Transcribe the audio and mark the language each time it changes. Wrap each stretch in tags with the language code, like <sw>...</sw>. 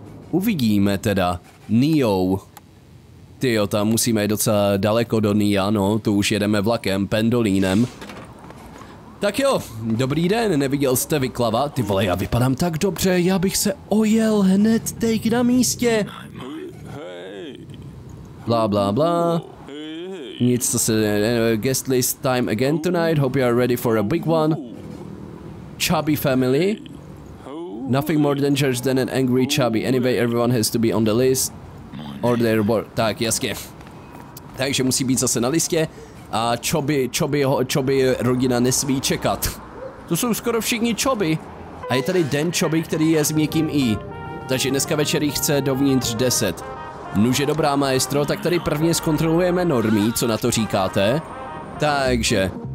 <cs>Uvidíme teda. Neo. Tyjo, tam musíme jít docela daleko do Nia, no, tu už jedeme vlakem, pendolínem. Tak jo, dobrý den, neviděl jste Vyklava? Ty vole, já vypadám tak dobře, já bych se ojel hned teď na místě. Blá, blá, blá. Nic, co se...</cs> <en>guest list time again tonight, hope you are ready for a big one. Chubby family. Nothing more dangerous than an angry chubby, anyway everyone has to be on the list. Order board.</en> <cs>Tak, jasně. Takže musí být zase na listě. A čoby rodina nesmí čekat. To jsou skoro všichni čoby. A je tady den čoby, který je s měkkým i. Takže dneska večer jich chce dovnitř 10. Nuže dobrá, maestro, tak tady prvně zkontrolujeme normy, co na to říkáte. Takže.</cs>